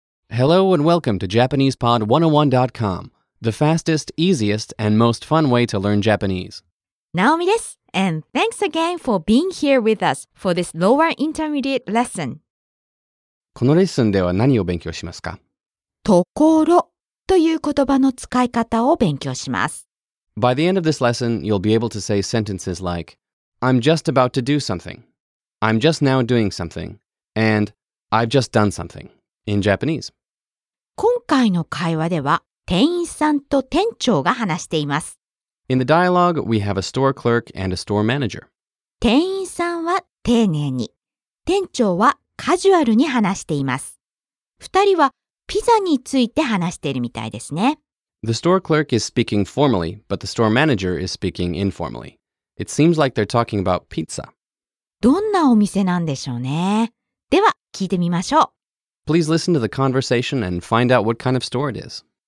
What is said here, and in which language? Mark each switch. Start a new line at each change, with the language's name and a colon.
English: Hello and welcome to JapanesePod101.com, the fastest, easiest, and most fun way to learn Japanese.
Japanese: Naomi です。
English: And thanks again for being here with us for this Lower Intermediate Lesson.
Japanese: このレッスンでは何を勉強しますか？ところという言葉の使い方を勉強します。
English: By the end of this lesson, you'll be able to say sentences like, I'm just about to do something, I'm just now doing something, and I've just done something in Japanese.
Japanese: 今回の会話では、店員さんと店長が話しています。
English: In the dialogue, we have a store clerk and a store manager.
Japanese: 店員さんは丁寧に、店長はカジュアルに話しています。二人はピザについて話しているみたいですね。
English: The store clerk is speaking formally, but the store manager is speaking informally. It seems like they're talking about pizza.
Japanese: どんなお店なんでしょうね。では、聞いてみましょう。
English: Please listen to the conversation and find out what kind of store it is.